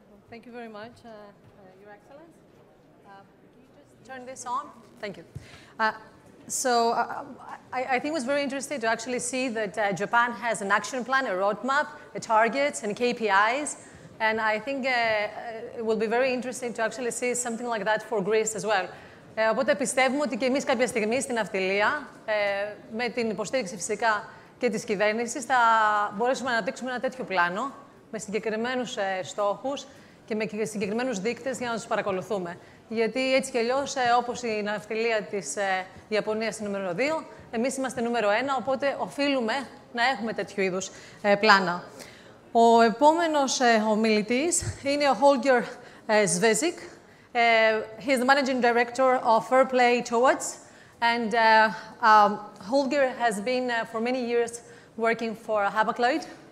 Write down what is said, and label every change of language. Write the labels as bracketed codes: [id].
[en] Thank you very much, Your Excellence. Can you just turn this on? Thank you. So I think it was very interesting to actually see that Japan has an action plan, a roadmap, a targets, and KPIs. And I think it will be very interesting to actually see something like that for Greece as well. [el] Οπότε πιστεύουμε ότι και εμείς κάποια στιγμή στην ναυτιλία, με την υποστήριξη φυσικά και της κυβέρνησης, θα μπορέσουμε να αναπτύξουμε ένα τέτοιο πλάνο με συγκεκριμένους στόχους και με συγκεκριμένους δείκτες για να τους παρακολουθούμε. Γιατί έτσι κι αλλιώς, όπως η ναυτιλία της Ιαπωνίας είναι νούμερο 2, εμείς είμαστε νούμερο 1, οπότε οφείλουμε να έχουμε τέτοιου είδους πλάνα. Ο επόμενος ομιλητής είναι ο Holger Svezik. [en] He's the Managing Director of Fair Play Towards, and Holger has been for many years working for Hapag-Lloyd.